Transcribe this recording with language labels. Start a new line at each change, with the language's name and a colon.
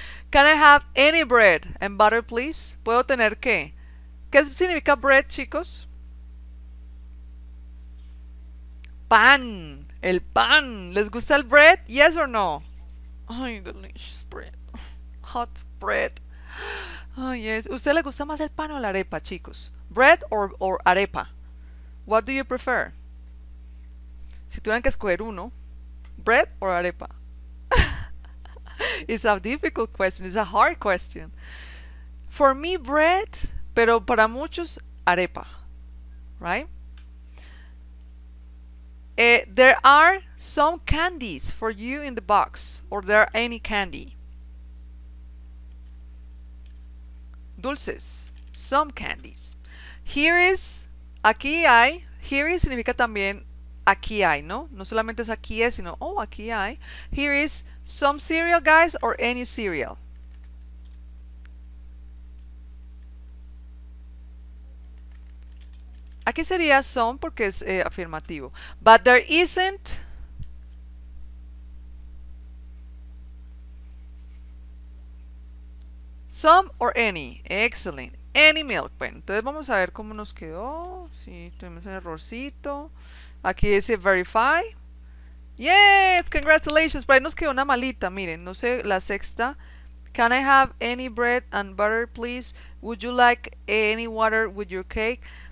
English: Can I have any bread and butter, please?
Spanish: ¿Puedo tener qué? ¿Qué significa bread, chicos? Pan. El pan. ¿Les gusta el bread?
English: ¿Yes or no? Ay, delicious bread. Hot bread. Oh, yes.
Spanish: ¿Usted le gusta más el pan o la arepa, chicos? ¿Bread or arepa?
English: What do you prefer?
Spanish: Si tuvieran que escoger uno, ¿bread o arepa?
English: It's a difficult question, it's a hard question. For me, bread,
Spanish: pero para muchos, arepa,
English: right? There are some candies for you in the box, or there are any candy.
Spanish: Dulces, some candies. Here is, aquí hay, here is significa también aquí hay, ¿no? No solamente es aquí es, sino, oh, aquí hay.
English: Here is some cereal, guys, or any cereal.
Spanish: Aquí sería some porque es afirmativo.
English: But there isn't... Some or any. Excellent. Any milk.
Spanish: Bueno, entonces vamos a ver cómo nos quedó. Sí, tuvimos un errorcito. Aquí dice
English: verify. Yes, congratulations.
Spanish: Pero ahí nos quedó una malita, miren. No sé, la sexta.
English: Can I have any bread and butter, please? Would you like any water with your cake?